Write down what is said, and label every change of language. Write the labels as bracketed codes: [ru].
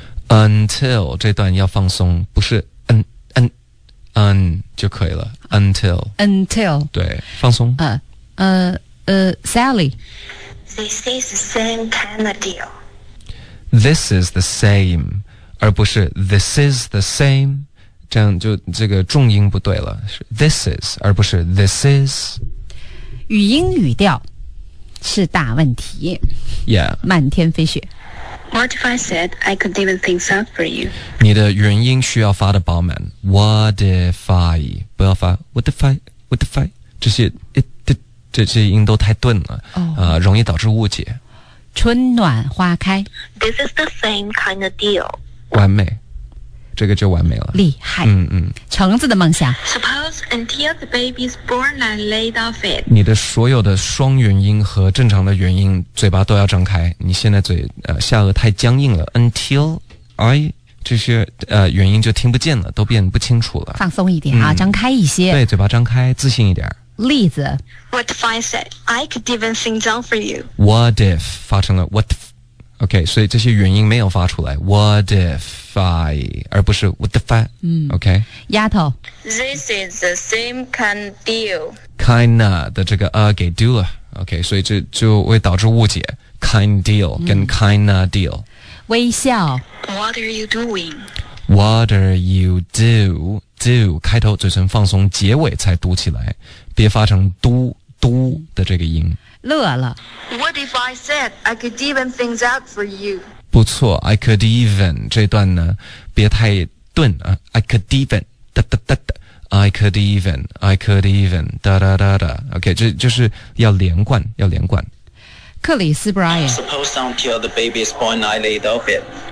[zh] Until 这段要放松，不是 un 就可以了。Until. [en] Until. [zh] 对，放松。 [en] Sally. This is the same kind of deal. This is the same, [zh] 而不是 [en] this is the same. [zh] 这样就这个重音不对了。 [en] This is, [zh] 而不是 [en] this is. [zh] 语音语调是大问题。 [en] Yeah. [zh] 漫天飞雪。 [en] What if I said I could even things out for you? [zh] 你的原音需要发的饱满。 [en] What if I, [zh] 不要发 [en] what if I, what if I, [zh] 这些 it,这些音都太钝了、容易导致误解。春暖花开。 [en] This is the same kind of deal. [zh] 完美。这个就完美了。厉害。橙子的梦想。 [en] Suppose until the baby's born and laid off it. [zh] 你的所有的双元音和正常的元音嘴巴都要张开。你现在嘴下颚太僵硬了。 [en] Until I... [zh] 这些原因就听不见了，都变不清楚了。放松一点啊，张开一些。对，嘴巴张开，自信一点。例子 [en] ，What if I said I could even sing down for you? What if [zh] 发成了 [en] What? [zh] OK， 所以这些原因没有发出来。 [en] What if I [zh] 而不是 [en] What if I? OK， [zh] 丫头 [en] ，This is the same kind of deal. [zh] Kinda 的这个给丢了。 OK， 所以这就会导致误解。 [en] Kind deal [zh] 跟 [en] kinda deal。 [zh] 微笑 [en] What are you doing? What are you do? [zh] Do 开头嘴唇放松，结尾才嘟起来，别发成嘟嘟的这个音。乐了 [en] What if I said I could even things out for you? [zh] 不错 [en] I could even [zh] 这段呢别太顿、 [en] I could even da, da, da, da, I could even I could even da, da, da, da. [zh] OK 这就是要连贯要连贯克里斯 Brian [en] Suppose until the baby is born I laid off it